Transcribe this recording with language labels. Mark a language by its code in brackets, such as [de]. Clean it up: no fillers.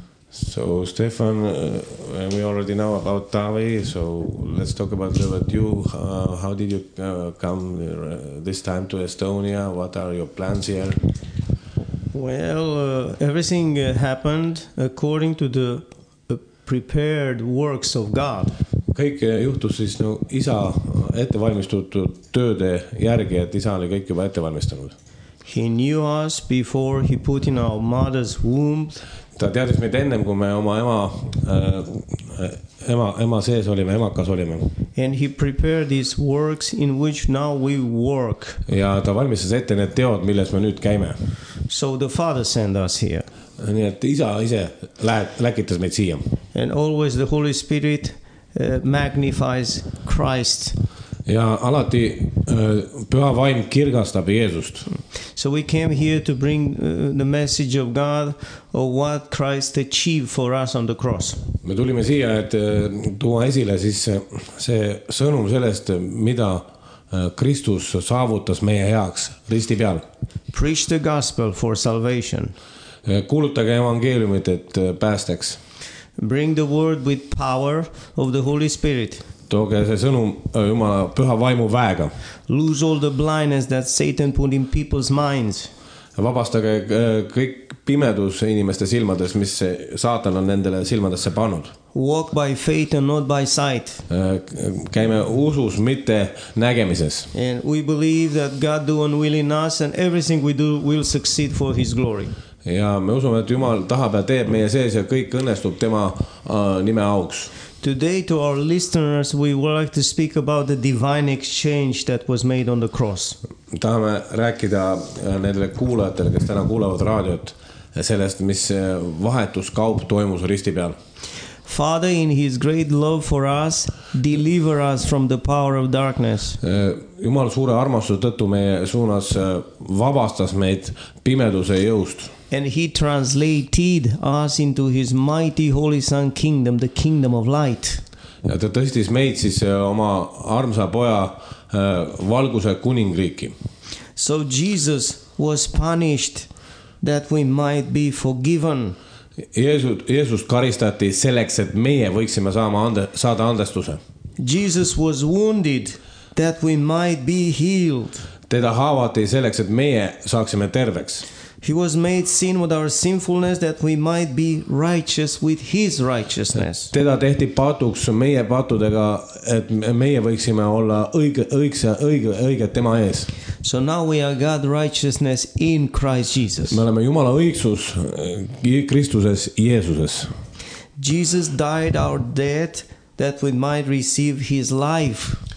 [en] So Stefan, we already know about Tavi, so let's talk about you. How did you come this time to Estonia? What are your plans here? Well, everything happened according to the prepared works of God. [et] Kõik juhtus siis no, isa ettevalmistatud tööde järgi, et isa oli kõik juba ettevalmistanud. [en] He knew us before he put in our mother's womb. [et] Ta teadis meid ennem, kui me oma ema sees olime, emakas olime. [en] And he prepared these works in which now we work. [et] Ja ta valmistas ette need teod, milles me nüüd käime. [en] So the father sent us here. [et] Nii et isa ise läkitas meid siia. [en] And always the Holy Spirit magnifies Christ. [et] Ja alati püha vaim kirgastab Jeesust. [en] So we came here to bring the message of God of what Christ achieved for us on the cross. [et] Me tulime siia, et tuua esile siis see sõnum sellest, mida Kristus saavutas meie heaks risti peal. [en] Preach the gospel for salvation. [et] Kuulutage evangeeliumit, et päästeks. [en] Bring the word with power of the Holy Spirit. [et] Tooge see sõnum Jumala püha vaimu väega. [en] Lose all the blindness that Satan put in people's minds. [et] Vabastage kõik pimedus inimeste silmades, mis saatan on nendele silmadesse panud. [en] Walk by faith and not by sight. [et] Käime usus, mitte nägemises. [en] And we believe that God do unwill in us and everything we do will succeed for his glory. [et] Ja me usume, et Jumal tahab ja teeb meie sees ja kõik õnnestub tema nime auks. [en] Today to our listeners we would like to speak about the divine exchange that was made on the cross. [et] Tahame rääkida nendele kuulajatele, kes täna kuulevad raadiot, sellest, mis vahetus kaup toimus risti peal. [en] Father, in his great love for us, deliver us from the power of darkness. [et] Jumal suure armastuse tõttu meie suunas vabastas meid pimeduse jõust. [en] And he translated us into his mighty holy son kingdom, the kingdom of light. [et] Ja ta tõstis meid siis oma armsa poja valguse kuningriiki. [en] So Jesus was punished that we might be forgiven. [et] Jeesus karistati selleks, et meie võiksime saada andestuse. [en] Jesus was wounded that we might be healed. [et] Teda haavati selleks, et meie saaksime terveks. [en] He was made sin with our sinfulness that we might be righteous with his righteousness. [et] Teda tehti patuks meie patudega, et meie võiksime olla õige tema ees. [en] So now we are God's righteousness in Christ Jesus. [et] Me oleme Jumala õigsus Kristuses Jeesuses. [en] Jesus died our debt that we might receive his life.